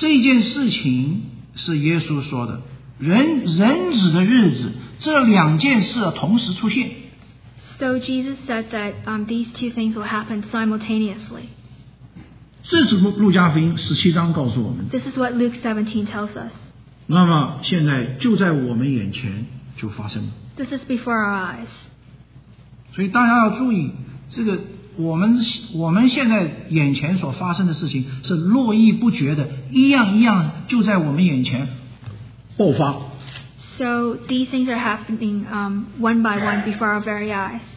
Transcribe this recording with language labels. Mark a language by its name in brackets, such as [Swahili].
[Chinese] 这件事情是耶稣说的，人子的日子，这两件事同时出现。 [English] So Jesus said that these two things will happen simultaneously. [Chinese] 这是路加福音十七章告诉我们。 [English] This is what Luke 17 tells us. [Chinese] 那么现在就在我们眼前就发生了。 [English] This is before our eyes. [Chinese] 所以大家要注意，这个我们现在眼前所发生的事情是络绎不绝的，一样一样就在我们眼前爆发。 [English] So these things are happening one by one before our very eyes.